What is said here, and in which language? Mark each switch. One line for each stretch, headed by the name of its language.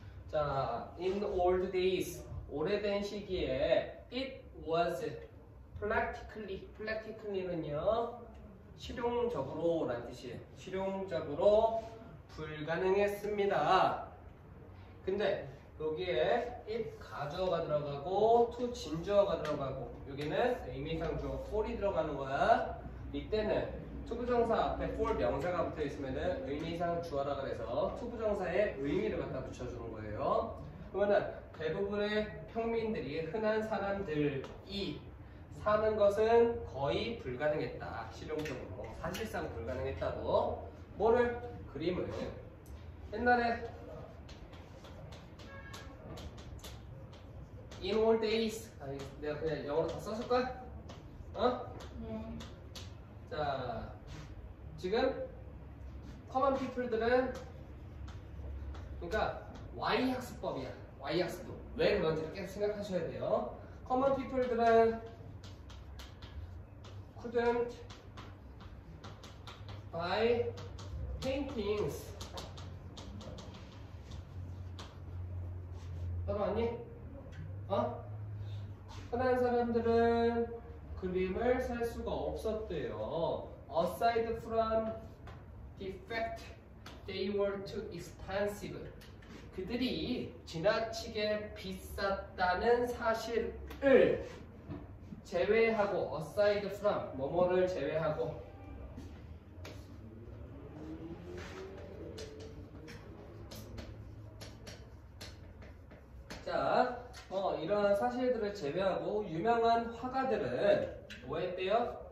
Korean: 자,
English: in old days,
Korean: 오래된 시기에
English: it was practically,
Korean: practically는요 실용적으로란 뜻이에요. 실용적으로 불가능했습니다. 근데 여기에 if 가주어가 들어가고 to 진주어가 들어가고 여기는 의미상 주어 for이 들어가는 거야. 이때는 to 부정사 앞에 for 명사가 붙어있으면은 의미상 주어라 그래서 to 부정사의 의미를 갖다 붙여주는 거예요. 그러면은 대부분의 평민들이 흔한 사람들이 사는 것은 거의 불가능했다. 실용적으로 사실상 불가능했다고. 뭐를? 그림을. 옛날에
English: In old days.
Korean: 아니, 내가 그냥 영어로 다 썼을 거야? 어? 네. 자, 지금
English: common people
Korean: 들은 그러니까 Y학습법이야. Y학습도. 왜 그런지를 계속 생각하셔야 돼요.
English: common people들은 couldn't buy paintings.
Korean: 따로 왔니? 어? 흔한 사람들은 그림을 살 수가 없었대요.
English: Aside from the fact they were too expensive.
Korean: 그들이 지나치게 비쌌다는 사실을 제외하고, aside from, 뭐뭐를 제외하고 자, 이러한 사실들을 제외하고 유명한 화가들은 좋아했대요?